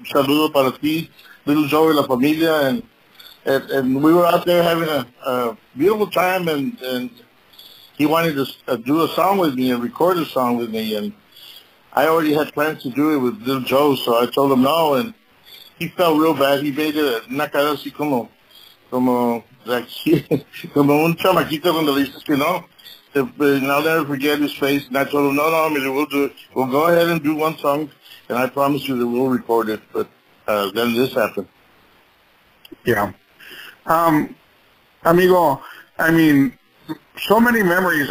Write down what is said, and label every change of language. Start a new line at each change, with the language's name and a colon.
Spanish: Saludo para ti, Little Joe y la familia.
English: And we were out there having a beautiful time, and he wanted to do a song with me and record a song with me. And I already had plans to do it with Little Joe, so I told him no, and he felt real bad. He made it
Spanish: una cara así como un chamaquito cuando le dices que no.
English: And I'll never forget his face, and I told him, no, Emilio, we'll do it. We'll go ahead and do one song, and I promise you that we'll record it. But then this happened. Yeah. Amigo, I mean, so many memories.